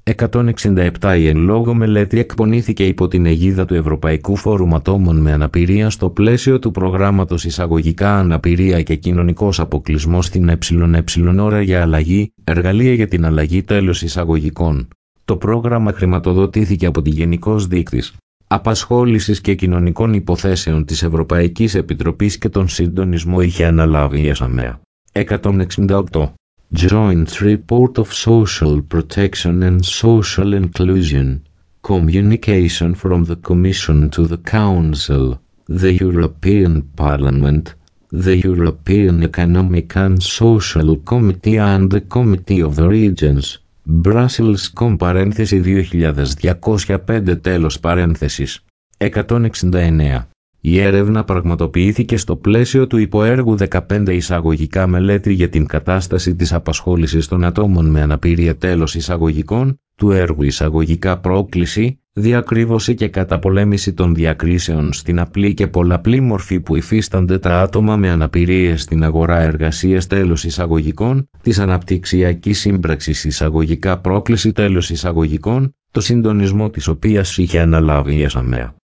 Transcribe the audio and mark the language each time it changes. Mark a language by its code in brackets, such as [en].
[el] 167 η εν λόγω μελέτη εκπονήθηκε υπό την αιγίδα του Ευρωπαϊκού Φόρουμ Ατόμων με Αναπηρία στο πλαίσιο του προγράμματος Εισαγωγικά Αναπηρία και Κοινωνικός Αποκλεισμός στην ΕΕ ώρα για αλλαγή, εργαλεία για την αλλαγή τέλος εισαγωγικών. Το πρόγραμμα χρηματοδοτήθηκε από την Γενικός Δείκτης Απασχόλησης και Κοινωνικών Υποθέσεων της Ευρωπαϊκής Επιτροπής και τον Συντονισμό είχε αναλάβει η ΕΣΑΜΕΑ. 168. [en] Joint Report of Social Protection and Social Inclusion. Communication from the Commission to the Council, the European Parliament, the European Economic and Social Committee and the Committee of the Regions, Brussels com [el] παρένθεση 2205 τέλος παρένθεσης. 169. Η έρευνα πραγματοποιήθηκε στο πλαίσιο του υποέργου 15 εισαγωγικά μελέτη για την κατάσταση της απασχόλησης των ατόμων με αναπηρία τέλος εισαγωγικών, του έργου εισαγωγικά πρόκληση, διακρύβωση και καταπολέμηση των διακρίσεων στην απλή και πολλαπλή μορφή που υφίστανται τα άτομα με αναπηρίες στην αγορά εργασίας τέλος εισαγωγικών, της αναπτυξιακής σύμπραξης εισαγωγικά πρόκληση τέλος εισαγωγικών, το συντονισμό της οποίας είχε αναλάβει η ΕΣΑΜΕΑ.